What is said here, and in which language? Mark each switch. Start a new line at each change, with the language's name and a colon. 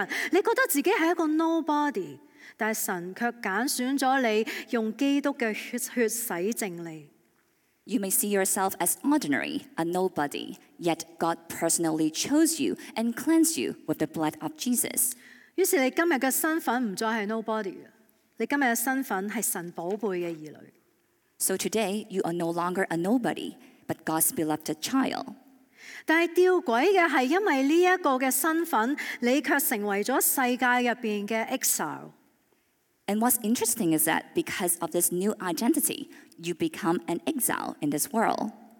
Chinese: 是神在人海茫茫裡面選擇了你。可能是你原本生活裡面，你覺得自己是一個平平無奇的人，你覺得自己是一個nobody， 但神卻選擇了你，用基督的血洗淨你。
English: You may see yourself as ordinary, a nobody, yet God personally chose you and cleansed you with the blood of Jesus.
Chinese: 於是你今天的身份不再是 nobody， 你今天的身份是神寶貝的兒女。
English: So today, you are no longer a nobody, but God's beloved child.
Chinese: 但吊詭的是因為這個身份，你卻成為了世界裡面的 exile。
English: And what's interesting is that because of this new identity, you become an exile in this world.